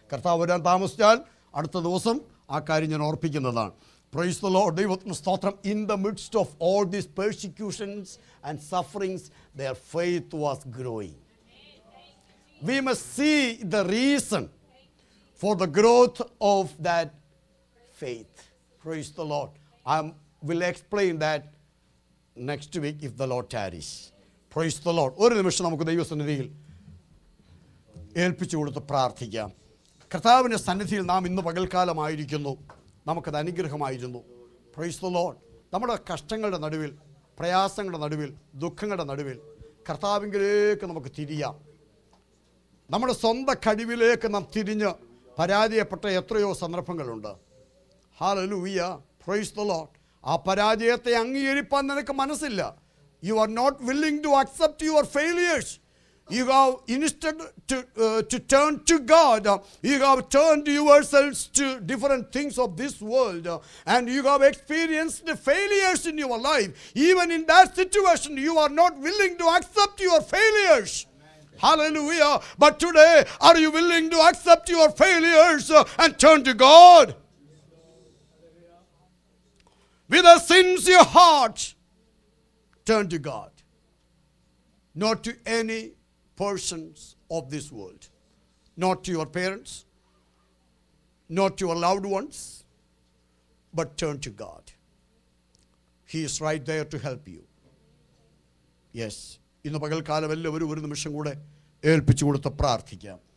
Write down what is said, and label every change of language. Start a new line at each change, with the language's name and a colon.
Malayalam: കർത്താവ് വരാൻ താമസിച്ചാൽ അടുത്ത ദിവസം ആ കാര്യം ഞാൻ ഓർപ്പിക്കുന്നതാണ്.
English: Praise the Lord.
Malayalam: ദൈവത്തിന് സ്തോത്രം.
English: In the midst of all these persecutions and sufferings their faith was growing. We must see the reason for the growth of that faith. Praise the Lord. I will explain that next week if the Lord tarries. Praise the Lord.
Malayalam: ഒരു നിമിഷം നമുക്ക് ദൈവസന്നിധിയിൽ ഏൽപ്പിച്ചു കൊടുത്ത് പ്രാർത്ഥിക്കാം. കർത്താവിൻ്റെ സന്നിധിയിൽ നാം ഇന്ന് പകൽക്കാലമായിരിക്കുന്നു, നമുക്കത് അനുഗ്രഹമായിരുന്നു.
English: Praise the Lord.
Malayalam: നമ്മുടെ കഷ്ടങ്ങളുടെ നടുവിൽ, പ്രയാസങ്ങളുടെ നടുവിൽ, ദുഃഖങ്ങളുടെ നടുവിൽ കർത്താവിങ്കിലേക്ക് നമുക്ക് തിരിയാം. നമ്മുടെ സ്വന്തം കഴിവിലേക്ക് നാം തിരിഞ്ഞ് പരാജയപ്പെട്ട എത്രയോ സന്ദർഭങ്ങളുണ്ട്. ഹല്ലേലൂയ.
English: Praise the Lord.
Malayalam: ആ പരാജയത്തെ അംഗീകരിപ്പാൻ നിനക്ക് മനസ്സില്ല.
English: You are not willing to accept your failures. You have instead to turn to God. You have turn yourselves to different things of this world and you have experienced failures in your life. Even in that situation you are not willing to accept your failures. Hallelujah. But today are you willing to accept your failures and turn to God? with a sincere heart, turn to God, not to any persons of this world, not to your parents, not to your loved ones, but turn to God. He is right there to help you.
Malayalam: Yes. ഇന്ന് പകൽക്കാലം എല്ലാവരും ഒരു നിമിഷം കൂടെ ഏൽപ്പിച്ചു കൊടുത്ത് പ്രാർത്ഥിക്കാം.